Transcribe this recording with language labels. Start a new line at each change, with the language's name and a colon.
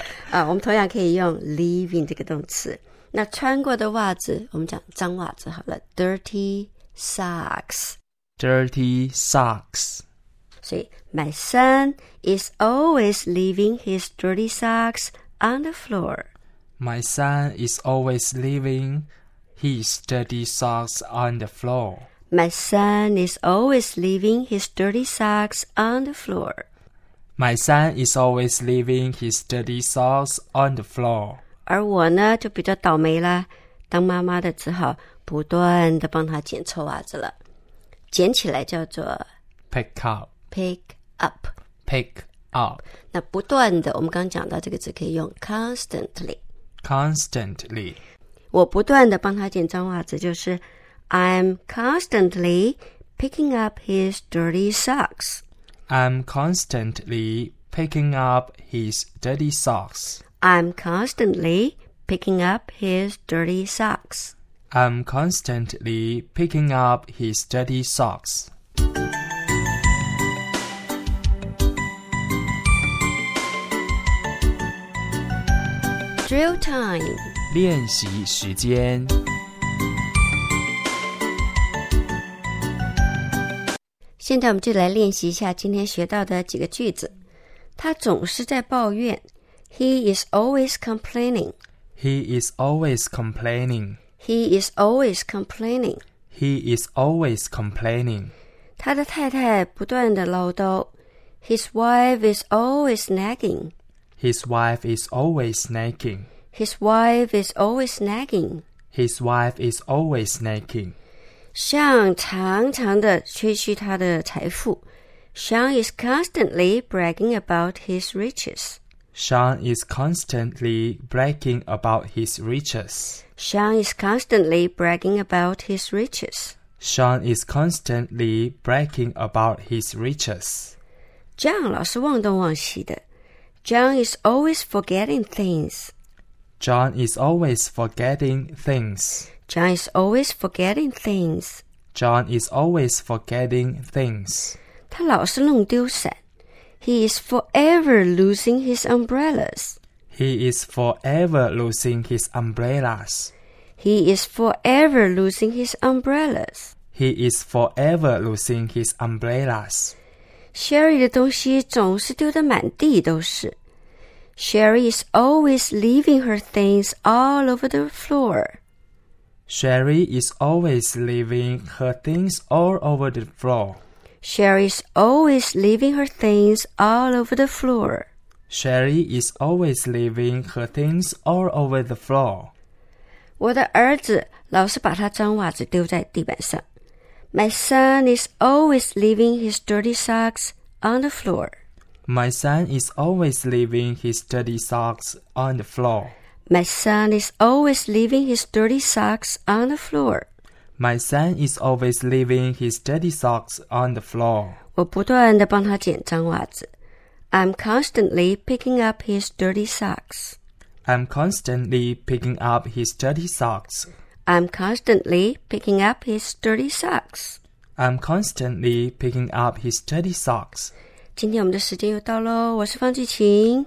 Chinese: 啊，我们同样可以用 leaving 这个动词。那穿过的袜子，我们讲脏袜子好了， dirty socks，
English: dirty socks。所以 my son is always leaving his dirty socks on the floor. My son is always leaving his dirty socks on the floor. My son is always leaving his dirty socks on the floor. My son is always leaving his dirty socks on the floor.
Chinese: 而我呢，就比较倒霉了，当妈妈的只好不断地帮他捡臭袜子了。捡起来叫做
English: pick up. Pick up. Pick up.
Chinese: 那不断的，我们刚讲到这个字可以用 constantly.
English: Constantly.
Chinese: 我不断地帮他捡脏袜子，就是
English: I'm constantly picking up his dirty socks. I'm constantly picking up his dirty socks. I'm constantly picking up his dirty socks. I'm constantly picking up his dirty socks. Drill time.
Chinese: 练习时间。现在我们就来练习一下今天学到的几个句子。他总是在抱怨。
English: He is always complaining. He is always complaining. He is always complaining. He is always complaining.
Chinese: 他的太太不断地唠叨。
English: His wife is always nagging. His wife is always nagging. His wife is always nagging. His wife is always nagging.
Chinese: Xiang 常常地吹嘘他的财富。
English: Xiang is constantly bragging about his riches. Xiang is constantly bragging about his riches. Xiang is constantly bragging about his riches. Xiang is constantly bragging about his riches.
Chinese: Zhang 老是忘东忘西的。
English: Zhang is always forgetting things. Zhang is always forgetting things. John is always forgetting things. John is always forgetting things.
Chinese: 他老是弄丢伞。
English: He is forever losing his umbrellas. He is forever losing his umbrellas. He is forever losing his umbrellas. He is forever losing his umbrellas.
Chinese: Sherry 的东西总是丢得满地都是。
English: Sherry is always leaving her things all over the floor. Sherry is always leaving her things all over the floor. Sherry is always leaving her things all over the floor. Sherry is always leaving her things all over the floor.
Chinese: 我的儿子老是把他脏袜子丢在地板上。
English: My son is always leaving his dirty socks on the floor. My son is always leaving his dirty socks on the floor. My son is always leaving his dirty socks on the floor. My son is always leaving his dirty socks on the floor.
Chinese: 我不断地帮他捡脏袜子。
English: I'm constantly picking up his dirty socks. I'm constantly picking up his dirty socks. I'm constantly picking up his dirty socks. I'm constantly picking up his dirty socks.
Chinese: 今天我们的时间又到咯，我是方季晴。